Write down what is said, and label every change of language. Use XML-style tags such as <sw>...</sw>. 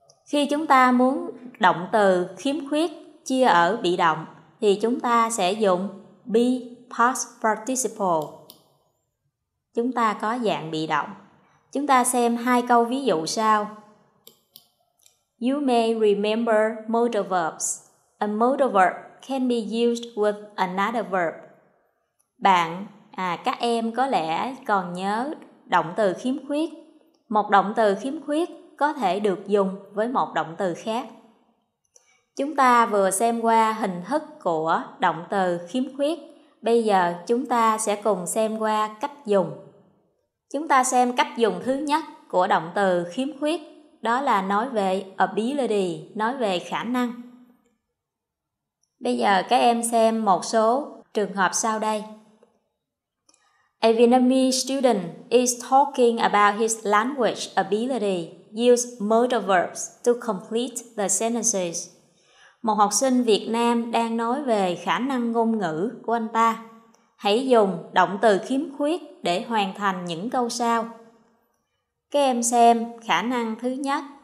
<vi>Khi chúng ta muốn động từ khiếm khuyết chia ở bị động thì chúng ta sẽ dùng be past participle. Chúng ta có dạng bị động. Chúng ta xem hai câu ví dụ sau.</vi> <en>You may remember modal verbs. A modal verb can be used with another verb.</en> <vi>Các em có lẽ còn nhớ động từ khiếm khuyết. Một động từ khiếm khuyết có thể được dùng với một động từ khác. Chúng ta vừa xem qua hình thức của động từ khiếm khuyết. Bây giờ chúng ta sẽ cùng xem qua cách dùng. Chúng ta xem cách dùng thứ nhất của động từ khiếm khuyết. Đó là nói về ability, nói về khả năng. Bây giờ các em xem một số trường hợp sau đây.</vi> <en>A Vietnamese student is talking about his language ability. Use modal verbs to complete the sentences.</en> <vi>Một học sinh Việt Nam đang nói về khả năng ngôn ngữ của anh ta. Hãy dùng động từ khiếm khuyết để hoàn thành những câu sau. Các em xem khả năng thứ nhất.</vi>